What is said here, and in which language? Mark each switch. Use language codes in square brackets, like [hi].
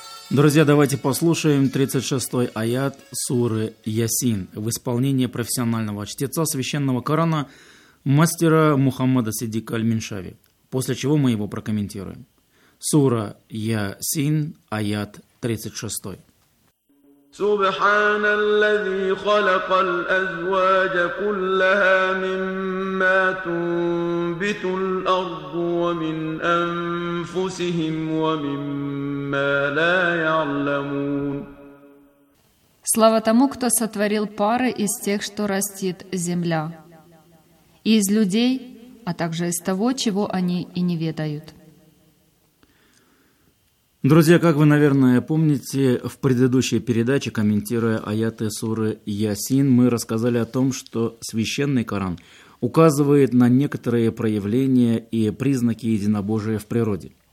[ru] Друзья, давайте послушаем 36-й аят суры Ясин в исполнении профессионального чтеца священного Корана мастера Мухаммада Сиддика Аль-Миншави, после чего мы его прокомментируем. Сура Ясин, аят 36. [ar] سبحان الذي خلق الأزواج كلها مما تنبت الأرض ومن أنفسهم ومما لا يعلمون. [ru] Слава тому, кто сотворил пары из тех, что растит земля, и из людей, а также из того, чего они и не ведают. Друзья, как вы, наверное, помните, в предыдущей передаче, комментируя аяты суры Ясин, мы рассказали о том, что священный Коран указывает на некоторые проявления и признаки единобожия в природе.